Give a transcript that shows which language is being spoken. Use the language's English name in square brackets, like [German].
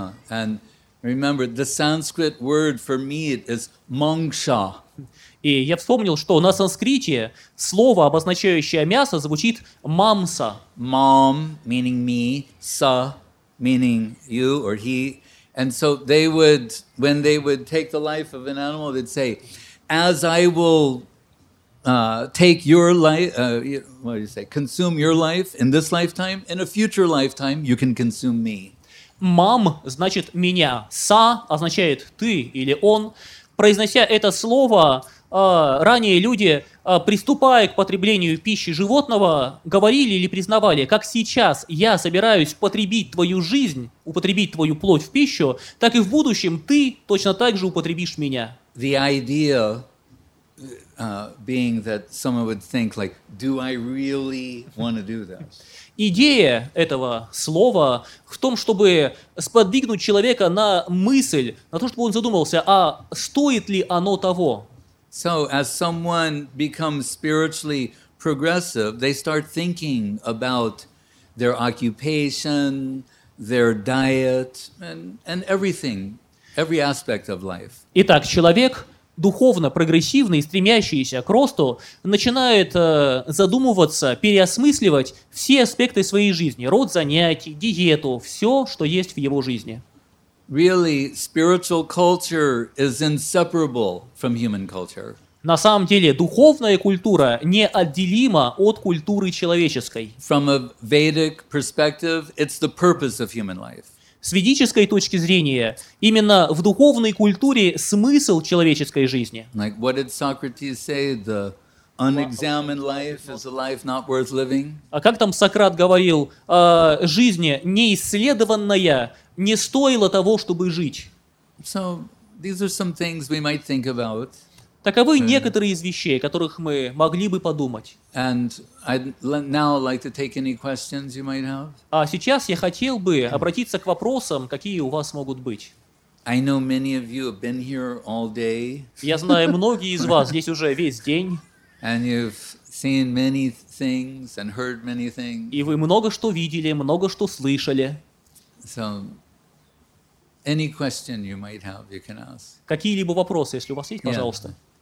[English] And remember, the Sanskrit word for meat is mangsha. [Russian] И я вспомнил, что на санскрите слово, обозначающее мясо, звучит мамса. [English] Mam, meaning me, sa, meaning you or he. And so they would, when they would take the life of an animal, they'd say, as I will take your life, what do you say, consume your life in this lifetime, in a future lifetime, you can consume me. [Russian] Мам значит меня, са означает ты или он. Произнося это слово, ранее люди, приступая к потреблению пищи животного, говорили или признавали, как сейчас я собираюсь потребить твою жизнь, употребить твою плоть в пищу, так и в будущем ты точно так же употребишь меня. [English] The idea being that someone would think, like, do I really want to do that? [Russian] Идея этого слова в том, чтобы сподвигнуть человека на мысль, на то, чтобы он задумался, а стоит ли оно того? [English] So, as someone becomes spiritually progressive, they start thinking about their occupation, their diet, and everything, every aspect of life. [Russian] Итак, человек духовно прогрессивный, стремящийся к росту, начинает задумываться, переосмысливать все аспекты своей жизни, род занятий, диету, все, что есть в его жизни. [English] Really, spiritual culture is inseparable from human culture. [Russian] На самом деле, духовная культура неотделима от культуры человеческой. [English] From a Vedic perspective, it's the purpose of human life. [Russian] С ведической точки зрения, именно в духовной культуре смысл человеческой жизни. [English] Like, what did Socrates say? The unexamined life is a life not worth living. [Russian] А как там Сократ говорил, жизнь неисследованная не стоила того, чтобы жить? [English] So, these are some things we might think about. [Russian] Таковы некоторые из вещей, о которых мы могли бы подумать. [English] And I'd now like to take any questions you might have. [Russian] А сейчас я хотел бы обратиться к вопросам, какие у вас могут быть. [English] I know many of you have been here all day. [Russian] Я знаю, многие из вас здесь уже весь день. [English] And you've seen many things and heard many things. [Russian] И вы много что видели, много что слышали. [English] So, any question you might have, you can ask. [Russian] Какие-либо вопросы, если у вас есть, пожалуйста.